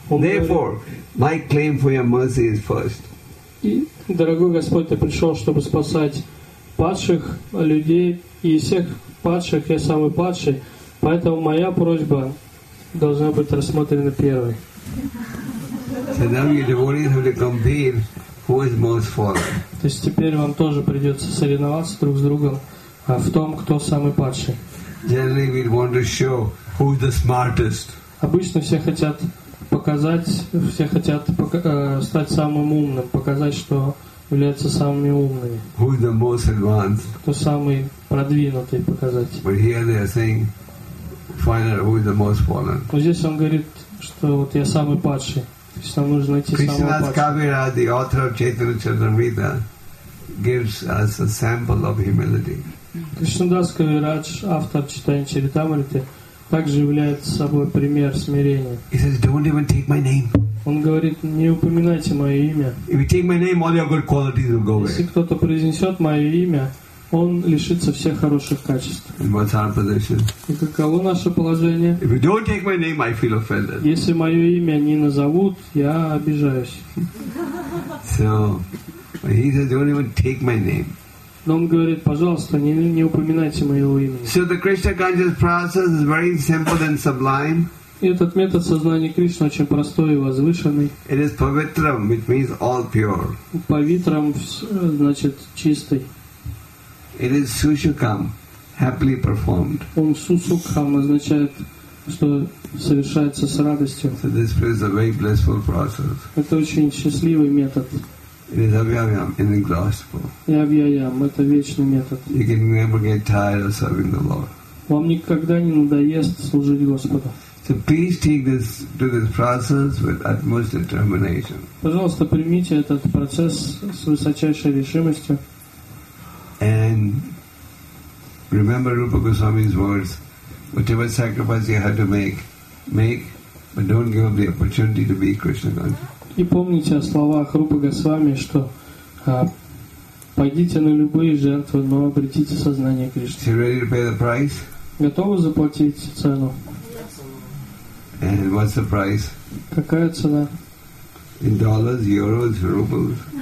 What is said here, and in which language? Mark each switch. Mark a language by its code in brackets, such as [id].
[en] Therefore, my claim for your mercy is first. [ru] И, дорогой Господь, ты пришел, чтобы спасать падших людей, и из всех падших я самый падший, поэтому моя просьба должна быть рассмотрена первой. [en] So now your devotees have to compete who is most fallen. [ru] То есть теперь вам тоже придется соревноваться друг с другом в том, кто самый падший. [en] Generally we want to show who is the smartest. [ru] Обычно все хотят показать, все хотят стать самым умным, показать, что являются самыми умными. [en] Who is the most advanced? [ru] Кто самый продвинутый показать. [en] But here they are saying, find out who is the most fallen. [ru] Но здесь он говорит, что вот я самый падший. То есть нам нужно найти самого падшего. [en] Кришнадас Кавирад, the author of Chaitanya Charitamrita, gives us a sample of humility. [ru] Кришнадас Кавирад, автор Чайтанья Чаритамриты, также является собой пример смирения. [en] He says, don't even take my name. [ru] Он говорит, не упоминайте мое имя. [en] If you take my name, all your good qualities will go away. [ru] Если кто-то произнесет мое имя, он лишится всех хороших качеств. [en] What's our position? [ru] И каково наше положение? [en] If you don't take my name, I feel offended. [ru] Если мое имя не назовут, я обижаюсь. [en] So, he says, don't even take my name. [ru] Но он говорит, пожалуйста, не упоминайте моего имени. [en] So the Krishna consciousness process is very simple and sublime. [ru] И этот метод сознания Кришны очень простой и возвышенный. [en] It is pavitram, which means all pure. [ru] Pavitram значит чистый. [en] It is sushukam, happily performed. [ru] Он сусукхам означает, что совершается с радостью. [en] So this is a very blissful process. [ru] Это очень счастливый метод. [en] It is avyayam, inexhaustible. [ru] И авьяям, это вечный метод. [en] You can never get tired of serving the Lord. [ru] Вам никогда не надоест служить Господу. [en] So please take this to this process with utmost determination. [ru] Пожалуйста, примите этот процесс с высочайшей решимостью. [en] And remember Rupa Goswami's words: whatever sacrifice you have to make, make, but don't give up the opportunity to be Krishna conscious. [ru] И помните о словах Рупы Госвами, что пойдите на любые жертвы, но обретите сознание Кришны. [en] You ready to pay the price? [ru] Готовы заплатить цену? [en] And what's the price? [ru] Какая цена? [en] In dollars, euros, rubles.